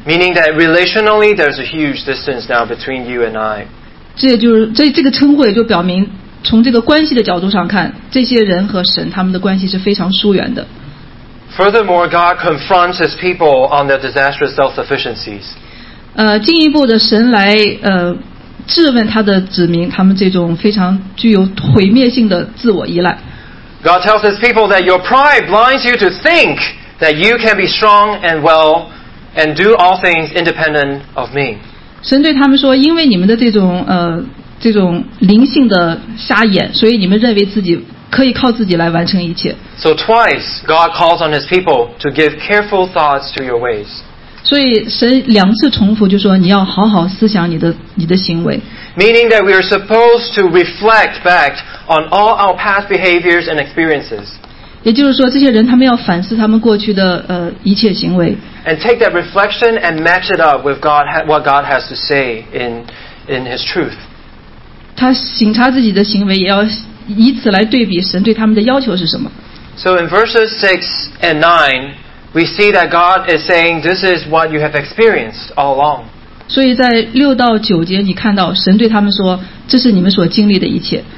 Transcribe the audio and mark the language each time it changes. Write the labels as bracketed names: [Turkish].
[English] Meaning that relationally, there's a huge distance now between you and I. [Chinese] 这个称呼也就表明。从这个关系的角度上看，这些人和神他们的关系是非常疏远的。 [English] Furthermore, God confronts His people on their disastrous self-sufficiencies. [Chinese] 进一步的神来质问他的子民，他们这种非常具有毁灭性的自我依赖。 [English] God tells His people that your pride blinds you to think that you can be strong and well and do all things independent of me. [Chinese] 神对他们说，因为你们的这种灵性的瞎眼，所以你们认为自己可以靠自己来完成一切。 [English] So twice God calls on His people to give careful thoughts to your ways. [Chinese] 所以神两次重复就说你要好好思想你的行为。 [English] Meaning that we are supposed to reflect back on all our past behaviors and experiences. [Chinese] 也就是说这些人他们要反思他们过去的一切行为。 [English] And take that reflection and match it up with what God has to say in His truth. [Chinese] 他省察自己的行为，也要以此来对比神对他们的要求是什么。 [English] So in verses 6 and 9, we see that God is saying, this is what you have experienced all along. [Chinese] 所以在六到九节你看到神对他们说，这是你们所经历的一切。